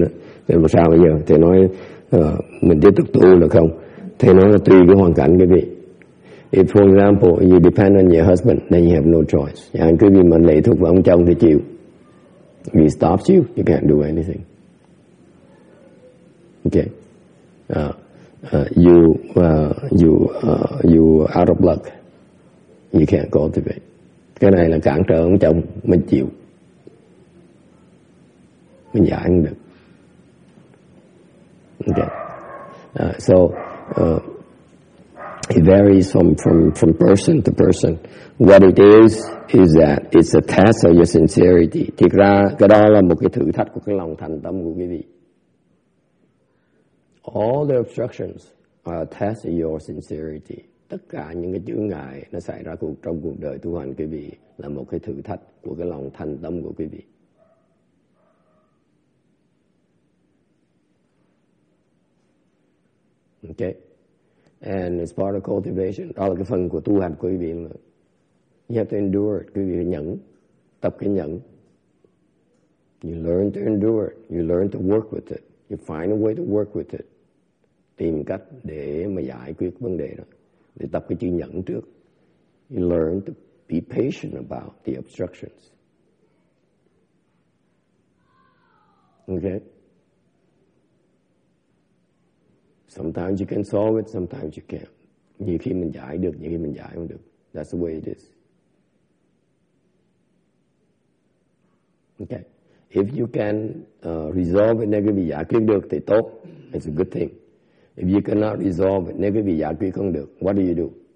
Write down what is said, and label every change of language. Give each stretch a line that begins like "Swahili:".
Vietnamese: Thì làm sao bây giờ? Thì nói mình tiếp tục tu được không? Thầy nói là tùy cái hoàn cảnh quý vị.
English: If for example you depend on your husband, then you have no choice.
Vietnamese: Yeah, quý vị mà lệ thuộc vào ông chồng thì chịu.
English: If he stops you, you can't do anything. Okay. You out of luck. You can't cultivate.
Vietnamese: Cái này là cản trở ông chồng, mình chịu. Mình giải không được.
English: Okay. So it varies from person to person. What it is that it's a test of your sincerity.
Vietnamese: Thực ra cái đó là một cái thử thách của cái lòng thành tâm của quý vị.
English: All the obstructions are a test of your sincerity.
Vietnamese: Tất cả những cái chướng ngại nó xảy ra trong cuộc đời tu hành quý vị là một cái thử thách của cái lòng thành tâm của quý vị.
English: Okay. And it's part of cultivation.
Vietnamese: Đó là cái phần của tu hành của quý vị.
English: You have to endure it.
Vietnamese: Quý vị nhẫn. Tập cái nhẫn.
English: You learn to endure it. You learn to work with it. You find a way to work with it.
Vietnamese: Tìm cách để mà giải quyết vấn đề đó. Để tập cái chữ nhẫn trước.
English: You learn to be patient about the obstructions. Okay. Sometimes you can solve it, sometimes you can't.
Vietnamese: Nhiều khi mình giải được, nhiều khi mình giải không được.
English: That's the way it is. Okay. If you can resolve it, negative
Vietnamese: giải quyết được thì tốt.
English: It's a good thing. If you cannot resolve it, negative
Vietnamese: giải quyết không được,
English: what do you do?